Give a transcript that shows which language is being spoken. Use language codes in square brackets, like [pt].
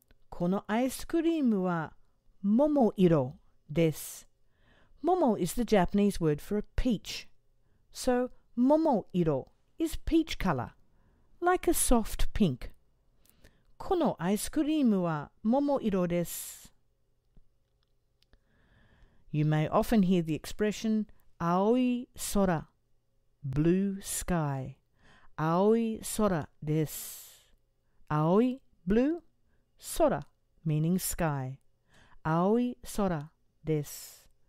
[ja] このアイスクリームは桃色です. [en] 桃 is the Japanese word for a peach. So, 桃色 is peach color, like a soft pink. [ja] このアイスクリームは桃色です. [en] You may often hear the expression [ja] 青い空, [en] blue sky. [ja] Aoi sora desu. Aoi, blue. Sora, [en] meaning sky. [ja] Aoi sora desu.